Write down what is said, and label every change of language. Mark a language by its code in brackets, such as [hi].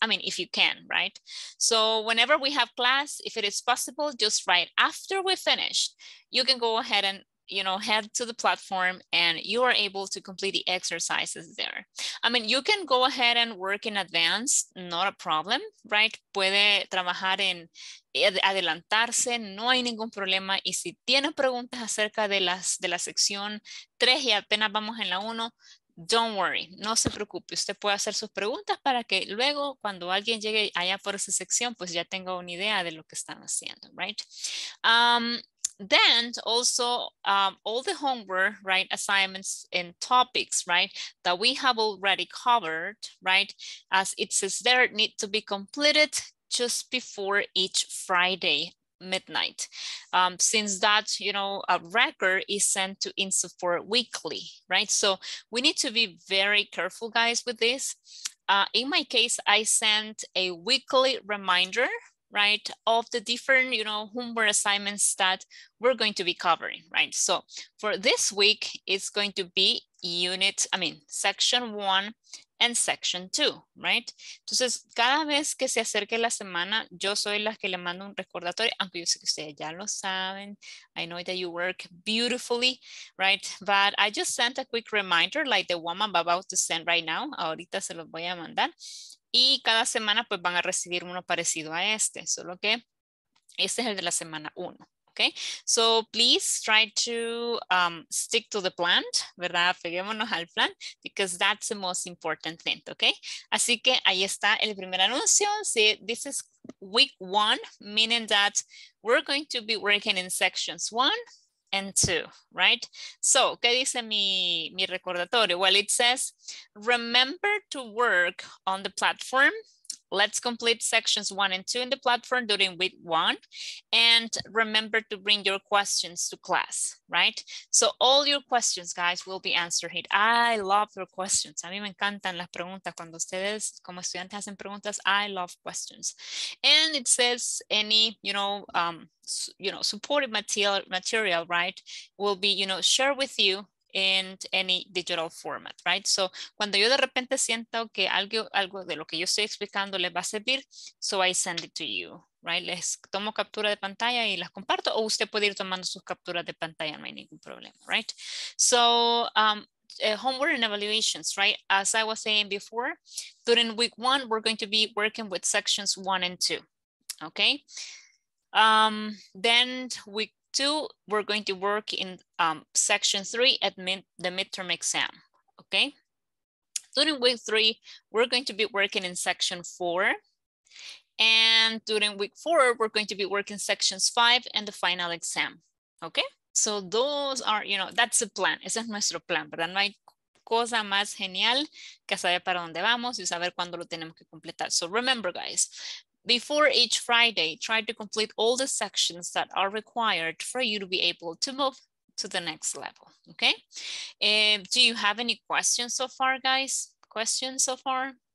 [en] I mean, if you can, right? So whenever we have class, if it is possible, just right after we finish, you can go ahead and, you know, head to the platform and you are able to complete the exercises there. I mean, you can go ahead and work in advance, not a problem, right? [es] Puede trabajar en adelantarse, no hay ningún problema. Y si tienes preguntas acerca de las de la sección 3 y apenas vamos en la 1, [en] don't worry, [es] no se preocupe. Usted puede hacer sus preguntas para que luego cuando alguien llegue allá por esa sección, pues ya tenga una idea de lo que están haciendo, right? [en] Then also all the homework, right, assignments and topics, right, that we have already covered, right, as it says there, need to be completed just before each Friday midnight, since that, you know, a record is sent to INSAFORP weekly, right? So we need to be very careful, guys, with this. In my case, I sent a weekly reminder, right, of the different, you know, homework assignments that we're going to be covering, right? So for this week, it's going to be unit, I mean, section 1 and section 2, right? [es] Entonces, cada vez que se acerque la semana, yo soy la que le mando un recordatorio, aunque yo sé que ustedes ya lo saben. [en] I know that you work beautifully, right? But I just sent a quick reminder, like the one I'm about to send right now. [es] Ahorita se los voy a mandar. Y cada semana pues van a recibir uno parecido a este, solo que este es el de la semana 1, okay? [en] So please try to stick to the plan, ¿verdad? [es] Peguémonos al plan, [en] because that's the most important thing, okay? [es] Así que ahí está el primer anuncio. Sí, [en] this is week 1, meaning that we're going to be working in sections 1 and 2, right? So, [es] ¿qué dice mi recordatorio? [en] Well, it says, remember to work on the platform. Let's complete sections 1 and 2 in the platform during week 1. And remember to bring your questions to class, right? So all your questions, guys, will be answered here. I love your questions. [es] A mí me encantan las preguntas. Cuando ustedes como estudiantes hacen preguntas, [en] I love questions. And it says any, you know, supportive material, right, will be, you know, shared with you in any digital format, right? [es] So cuando yo de repente siento que algo de lo que yo estoy explicando les va a servir, [en] so I send it to you, [es] right? Les tomo captura de pantalla y las comparto, o usted puede ir tomando sus capturas de pantalla, no hay ningún problema, right? [en] So homework and evaluations, right? As I was saying before, during week 1, we're going to be working with sections 1 and 2, okay? Then week 2, we're going to work in section 3 at the midterm exam, okay? During week 3, we're going to be working in section 4. And during week 4, we're going to be working sections 5 and the final exam, okay? So those are, you know, that's the plan. [es] Ese es nuestro plan, ¿verdad? No hay cosa más genial que saber para dónde vamos y saber cuándo lo tenemos que completar. [en] So remember, guys, before each Friday, try to complete all the sections that are required for you to be able to move to the next level, okay? Do you have any questions so far, guys? Questions so far?